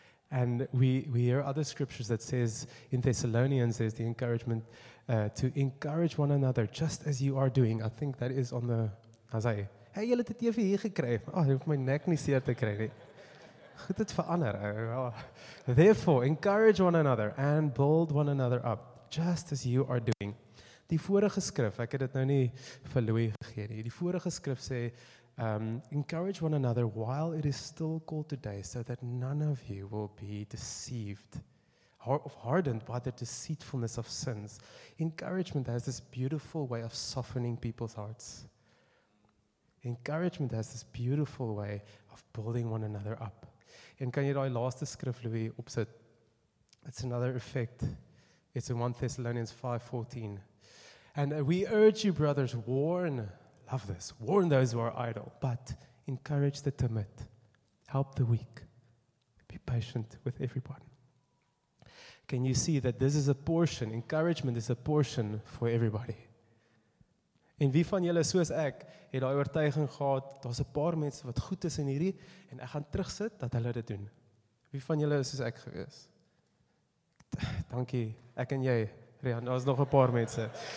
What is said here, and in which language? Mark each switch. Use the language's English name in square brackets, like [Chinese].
[English] And we hear other scriptures that says, in Thessalonians, there's the encouragement to encourage one another just as you are doing. I think that is on the, as I, hey, [Afrikaans] julle het dit hier gekry. Oh, ek het my nek nie seer te kry nie. Goed het verander. [English] Therefore, encourage one another and build one another up just as you are doing. [Afrikaans] Die vorige skrif, ek het dit nou nie vir Louis gegee nie. Die vorige skrif sê, [English] encourage one another while it is still called today, so that none of you will be deceived, hardened by the deceitfulness of sins. Encouragement has this beautiful way of softening people's hearts. Encouragement has this beautiful way of building one another up. [Afrikaans] En kan jy daai laaste skrif, Louis, opsit? [English] It's another effect. It's in 1 Thessalonians 5:14. And we urge you, brothers, warn. Love this. Warn those who are idle, but encourage the timid. Help the weak. Be patient with everyone. Can you see that this is a portion? Encouragement is a portion for everybody. [Afrikaans] En wie van julle soos ek het daai oortuiging gehad, daar's 'n paar mense wat goed is in hierdie en ek gaan terugsit dat hulle dit doen. Wie van julle is soos ek gewees? Dankie. Ek en jy, Rian, daar's nog 'n paar mense.